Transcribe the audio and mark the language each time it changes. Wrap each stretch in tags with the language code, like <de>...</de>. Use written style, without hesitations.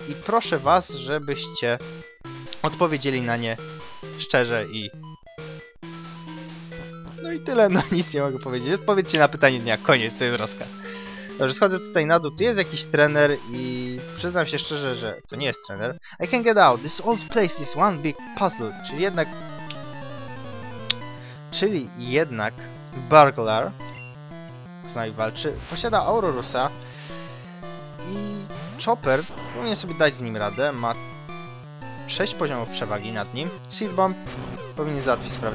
<pl>I proszę was, żebyście odpowiedzieli na nie szczerze i... No i tyle. No nic nie mogę powiedzieć. Odpowiedzcie na pytanie dnia. Koniec. To jest rozkaz. Dobrze, schodzę tutaj na dół. Tu jest jakiś trener i przyznam się szczerze, że to nie jest trener.</pl> <en>I can get out. This old place is one big puzzle.</en> <pl>Czyli jednak Burglar z nami walczy. Posiada Aurorusa i Chopper powinien sobie dać z nim radę. Ma 6 poziomów przewagi nad nim. Seed Bomb powinien załatwić sprawę.</pl>